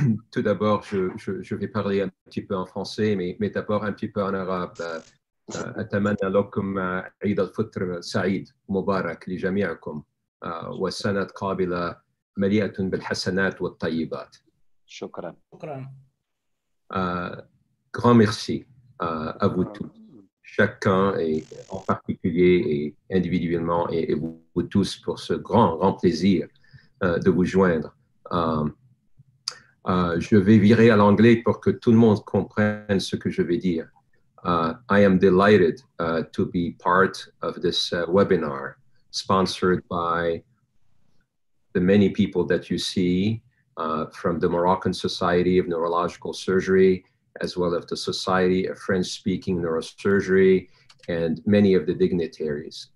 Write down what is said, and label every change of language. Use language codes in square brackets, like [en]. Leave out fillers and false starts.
[fr] Tout d'abord, je vais parler un petit peu en français, mais d'abord un petit peu en arabe. [ar] أتمنى لكم عيد الفطر سعيد مبارك لجميعكم وسنة قابلة مليئة بالحسنات والطيبات. شكرا. شكرا. [fr] Grand merci à vous tous, chacun et en particulier et individuellement et vous tous pour ce grand plaisir de vous joindre. Je vais virer à l'anglais pour que tout le monde comprenne ce que je vais dire. [en] I am delighted to be part of this webinar sponsored by the many people that you see from the Moroccan Society of Neurological Surgery, as well as the Society of French-Speaking Neurosurgery, and many of the dignitaries.